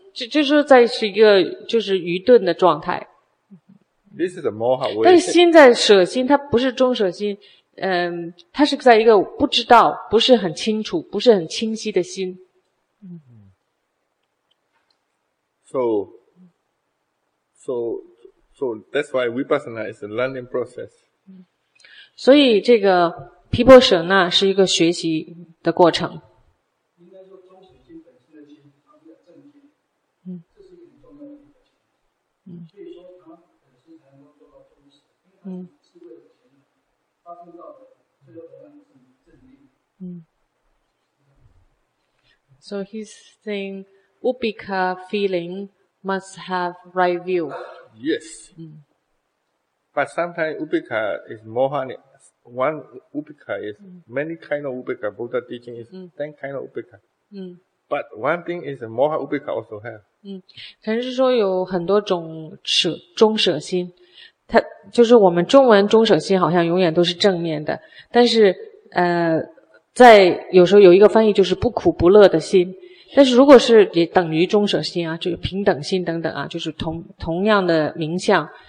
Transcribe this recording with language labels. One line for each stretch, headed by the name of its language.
Chinese: 就是在是一个就是愚钝的状态。
English: This is a moha way.
Chinese: 但是心在舍心，他不是中舍心，他是在一个不知道，不是很清楚，不是很清晰的心。
English: So that's why vipassana is a learning process.
Chinese: 所以这个毗婆舍那是一个学习的过程。应该说中舍心本身的心它比较正经，这是一个很重要的一个情况。所以说它本身才能够做到中舍，因为它是智慧的前面发生到的最后的那个正经。
English: So he's saying, upika feeling must have right view. Yes. But sometimes upika is mohani. One upika is many kind of upika. Buddha teaching is 10 kind of upika. But one thing is moha upika also have.
Chinese: 可能是说有很多种中舍心，它就是我们中文中舍心好像永远都是正面的，但是在有时候有一个翻译就是不苦不乐的心，但是如果是也等于中舍心啊，就是平等心等等啊，就是同样的名相。